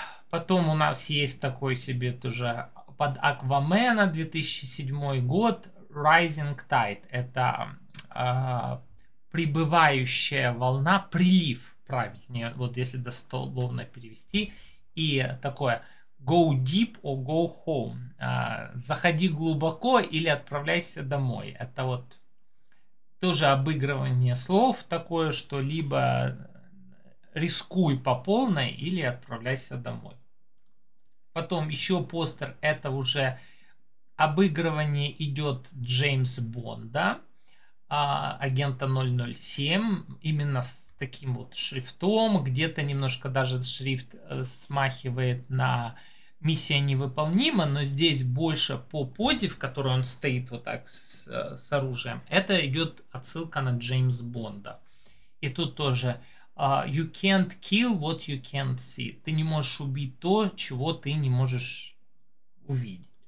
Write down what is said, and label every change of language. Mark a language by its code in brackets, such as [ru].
[ru] Потом у нас есть такой себе тоже под Аквамена 2007 год Rising Tide. Это прибывающая волна, прилив, правильнее, вот если дословно перевести. И такое [en] go deep or go home. [ru] Заходи глубоко или отправляйся домой. Это вот тоже обыгрывание слов такое, что либо рискуй по полной или отправляйся домой. Потом еще постер, это уже обыгрывание идет Джеймс Бонда, агента 007, именно с таким вот шрифтом, где-то немножко даже шрифт смахивает на «Миссия невыполнима», но здесь больше по позе, в которой он стоит вот так с оружием, это идет отсылка на Джеймс Бонда. И тут тоже [en] you can't kill what you can't see. [ru] Ты не можешь убить то, чего ты не можешь увидеть.